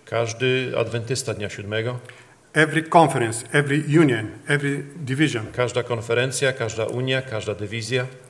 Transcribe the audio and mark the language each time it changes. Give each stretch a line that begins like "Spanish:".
Polish: Każdy adwentysta Dnia Siódmego.
English: Every conference, every union, every division.
Polish: Każda konferencja, każda unia, każda dywizja.